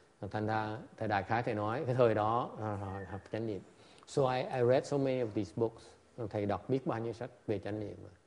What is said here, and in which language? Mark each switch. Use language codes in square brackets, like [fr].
[vi] Thầy đại khái thầy nói cái thời đó học chánh niệm. [en] So I read so many of these books. [vi] Thầy đọc biết bao nhiêu sách về chánh niệm.